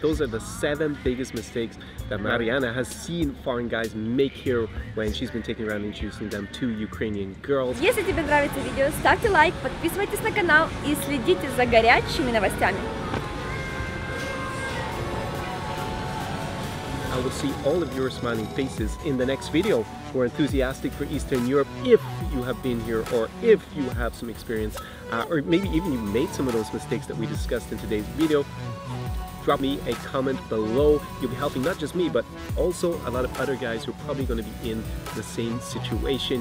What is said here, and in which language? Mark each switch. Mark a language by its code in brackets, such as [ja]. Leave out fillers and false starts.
[en] Those are the 7 biggest mistakes that Mariana has seen foreign guys make here when she's been taking around introducing them to Ukrainian girls. [ru] Если тебе нравится видео, ставьте лайк, подписывайтесь на канал и следите за горячими новостями. [en] I will see all of your smiling faces in the next video. We're enthusiastic for Eastern Europe if you have been here or if you have some experience or maybe even you made some of those mistakes that we discussed in today's video. drop me a comment below. You'll be helping not just me, but also a lot of other guys who are probably going to be in the same situation.